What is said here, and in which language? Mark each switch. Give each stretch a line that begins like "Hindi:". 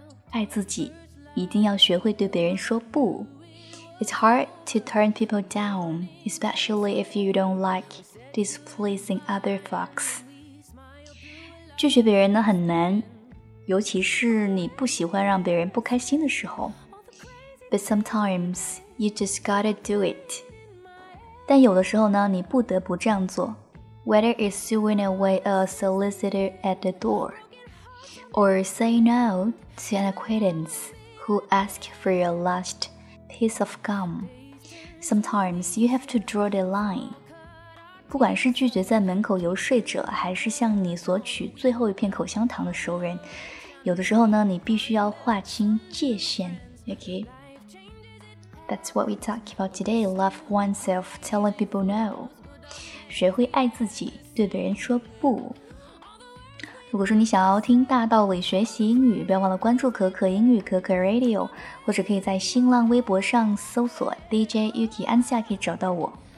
Chinese: 爱自己一定要学会对别人说不。
English: It's hard to turn people down, especially if you don't like displeasing other folks。
Chinese: 拒绝别人呢很难，尤其是你不喜欢让别人不开心的时候。
English: But sometimes you just gotta do it.
Chinese: 但有的时候呢，你不得不这样做。
English: Whether it's throwing away a solicitor at the door, or say no to an acquaintance who asks for your last piece of gum, sometimes you have to draw the line.
Chinese: 不管是拒绝在门口游说者，还是向你索取最后一片口香糖的熟人，有的时候呢，你必须要划清界限。
English: Okay. That's what we talk about today, love oneself, telling people no.
Chinese: 学会爱自己，对别人说不。如果说你想要听大道理学习英语，不要忘了关注可可英语可可 Radio, 或者可以在新浪微博上搜索 DJ Yuki 安夏，可以找到我。